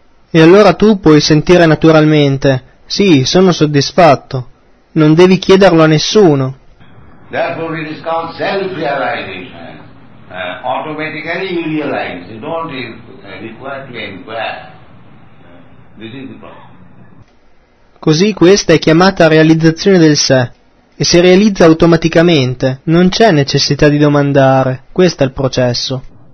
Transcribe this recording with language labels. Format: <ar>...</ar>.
<it>E allora tu puoi sentire naturalmente, sì, sono soddisfatto, non devi chiederlo a nessuno.</it> <en>Therefore it is called self-realization. Automatically you realize, you don't require to inquire. This is the problem.</en> <it>Così questa è chiamata realizzazione del sé e si realizza automaticamente, non c'è necessità di domandare, questo è il processo.</it>